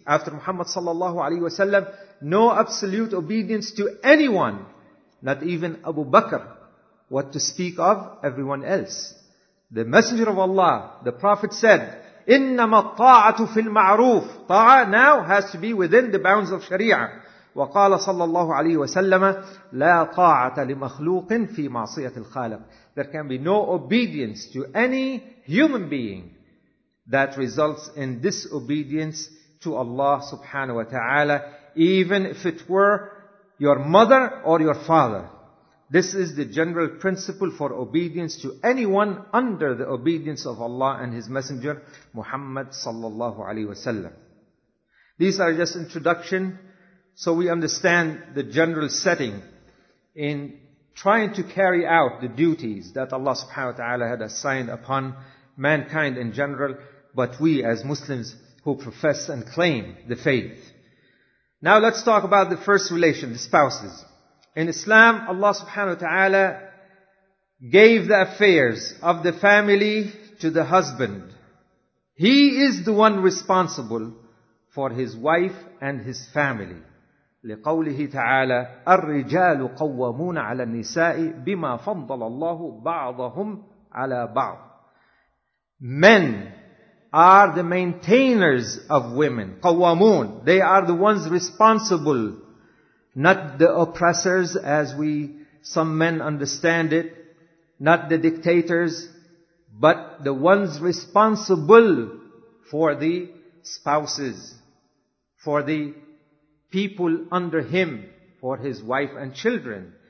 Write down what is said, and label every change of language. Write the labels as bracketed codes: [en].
[en] After Muhammad sallallahu alayhi wa sallam, no absolute obedience to anyone, not even Abu Bakr, what to speak of everyone else. The Messenger of Allah, the Prophet said, [ar] إِنَّمَا الطَّاعَةُ فِي الْمَعْرُوفِ. [en] Ta'a now has to be within the bounds of Sharia. [ar] وقال صلى الله عليه وسلم لا طاعة لمخلوق في معصية الخالق. [en] There can be no obedience to any human being that results in disobedience to Allah subhanahu wa ta'ala, even if it were your mother or your father. This is the general principle for obedience to anyone under the obedience of Allah and His Messenger Muhammad sallallahu alaihi wasallam. These are just introduction, so we understand the general setting in trying to carry out the duties that Allah subhanahu wa ta'ala had assigned upon mankind in general, but we as Muslims who profess and claim the faith. Now let's talk about the first relation, the spouses. In Islam, Allah subhanahu wa ta'ala gave the affairs of the family to the husband. He is the one responsible for his wife and his family. [ar] لقوله تعالى الرجال قوامون على النساء بما فضل الله بعضهم على بعض. [en] Men are the maintainers of women. قوامون, they are the ones responsible, not the oppressors as we some men understand it, not the dictators, but the ones responsible for the spouses, for the people under him, for his wife and children.